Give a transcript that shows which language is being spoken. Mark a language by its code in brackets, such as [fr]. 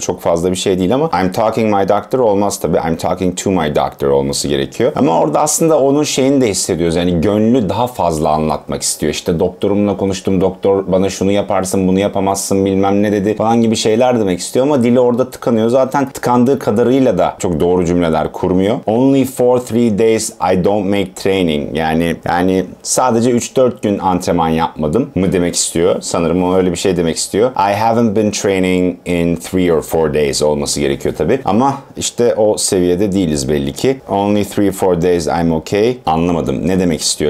[tr] Çok fazla bir şey değil ama [en] I'm talking my doctor [tr] olmaz tabii. [en] I'm talking to my doctor [tr] olması gerekiyor. Ama orada aslında onun şeyini de hissediyoruz. Yani gönlü daha fazla anlatmak istiyor. İşte doktorumla konuştum. Doktor bana şunu yaparsın, bunu yapamazsın bilmem ne dedi falan gibi şeyler demek istiyor ama dili orada tıkanıyor. Zaten tıkandığı kadarıyla da çok doğru cümleler kurmuyor. [en] Only for 3 days I don't make training. [tr] Yani sadece 3-4 gün antrenman yapmadım mı demek istiyor. Sanırım o öyle bir şey demek istiyor. [en] I haven't been training in 3 or 4 days [tr] olması gerekiyor tabii. Ama işte o seviyede değiliz belli ki. [en] Only 3-4 days I'm okay. [tr] Anlamadım. Ne demek istiyor?